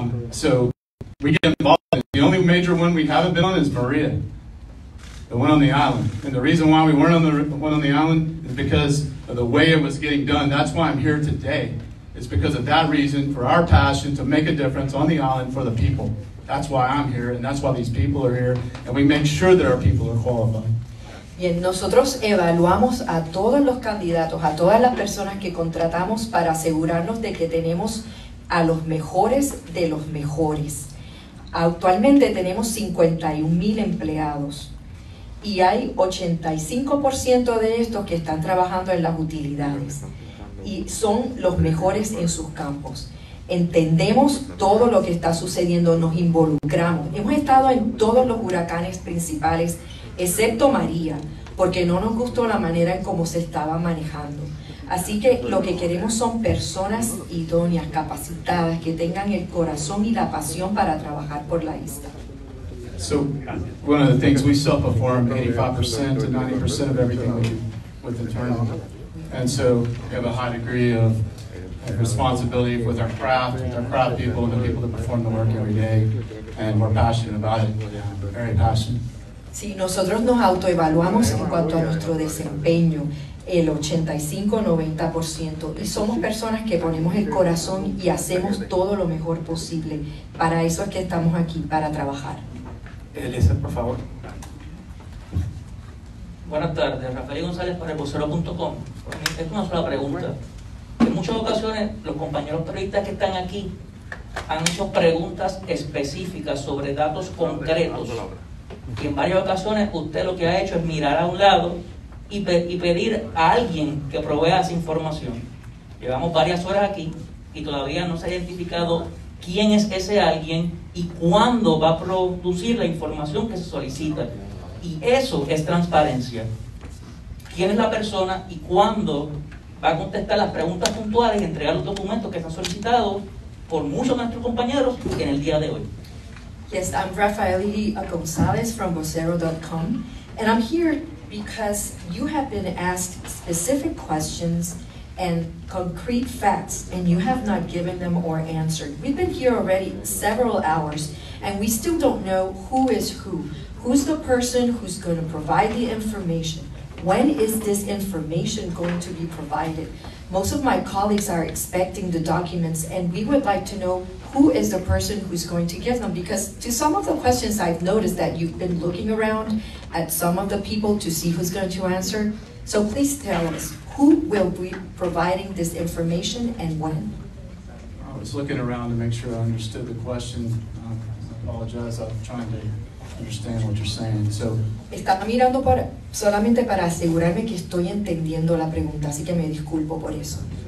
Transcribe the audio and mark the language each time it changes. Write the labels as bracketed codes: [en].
[en] So we get involved. The only major one we haven't been on is Maria, the one on the island. And the reason why we weren't on the one on the island is because of the way it was getting done. That's why I'm here today. It's because of that reason, for our passion to make a difference on the island for the people. That's why I'm here, and that's why these people are here, and we make sure that our people are qualified. [es] Bien, nosotros evaluamos a todos los candidatos, a todas las personas que contratamos para asegurarnos de que tenemos a los mejores de los mejores. Actualmente tenemos 51,000 empleados y hay 85% de estos que están trabajando en las utilidades y son los mejores en sus campos. Entendemos todo lo que está sucediendo, nos involucramos. Hemos estado en todos los huracanes principales, excepto María, porque no nos gustó la manera en cómo se estaba manejando. Así que lo que queremos son personas idóneas, capacitadas, que tengan el corazón y la pasión para trabajar por la isla. [en] So, one of the things we self-perform 85% to 90% of everything we do with the turnout. And so, we have a high degree of responsibility with our craft people, the people that perform the work every day, and we're passionate about it, very passionate. [es] Sí, nosotros nos autoevaluamos en cuanto a nuestro desempeño, el 85-90%, y somos personas que ponemos el corazón y hacemos todo lo mejor posible. Para eso es que estamos aquí, para trabajar. Elisa, por favor. Buenas tardes, Rafael González para Vocero.com. Es una sola pregunta. En muchas ocasiones, los compañeros periodistas que están aquí han hecho preguntas específicas sobre datos concretos. Y en varias ocasiones usted lo que ha hecho es mirar a un lado y pedir a alguien que provea esa información. Llevamos varias horas aquí y todavía no se ha identificado quién es ese alguien y cuándo va a producir la información que se solicita. Y eso es transparencia. ¿Quién es la persona y cuándo va a contestar las preguntas puntuales y entregar los documentos que se han solicitado por muchos de nuestros compañeros en el día de hoy? [en] Yes, I'm Rafaeli Gonzalez from Vocero.com, and I'm here because you have been asked specific questions and concrete facts, and you have not given them or answered. We've been here already several hours, and we still don't know who is who. Who's the person who's going to provide the information? When is this information going to be provided? Most of my colleagues are expecting the documents, and we would like to know who is the person who's going to give them, because to some of the questions I've noticed that you've been looking around at some of the people to see who's going to answer. So please tell us, who will be providing this information and when? I was looking around to make sure I understood the question. I apologize, I'm trying to understand what you're saying. So, [es] estaba mirando para, solamente para asegurarme que estoy entendiendo la pregunta, así que me disculpo por eso.